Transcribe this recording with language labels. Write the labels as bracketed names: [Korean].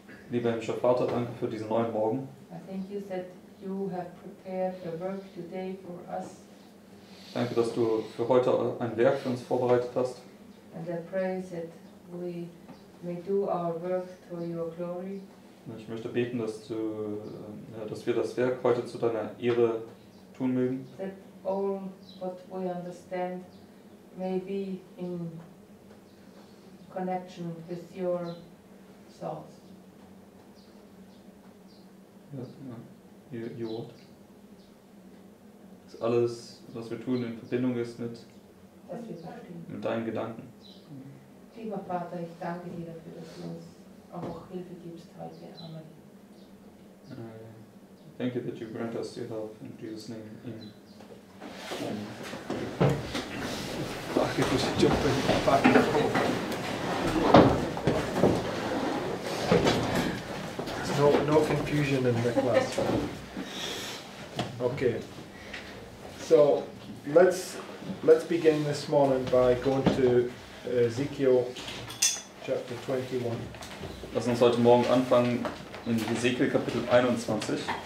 [German] Lieber himmlischer Vater, danke für diesen neuen Morgen. [English] I thank you that you have prepared a work today for us. [German] Danke, dass du für heute ein Werk für uns vorbereitet hast. [English] And I pray that we may do our work to your glory. [German] Ich möchte beten, dass du, dass wir das Werk heute zu deiner Ehre tun mögen. [English] That all what we understand may be in connection with your thoughts. Your word. [German] Dass alles, was wir tun, in Verbindung ist mit, dass wir verstehen, mit deinen Gedanken. Lieber Vater, ich danke dir dafür, dass du uns auch Hilfe gibst heute. Amen. [English] Thank you that you grant us your help in Jesus' name. Amen. Fuck, it was jumping. Fuck, it was jumping. No confusion in the class. Okay. So let's begin this morning by going to Ezekiel chapter 21. [German] Lass uns heute Morgen anfangen in Ezekiel Kapitel 21.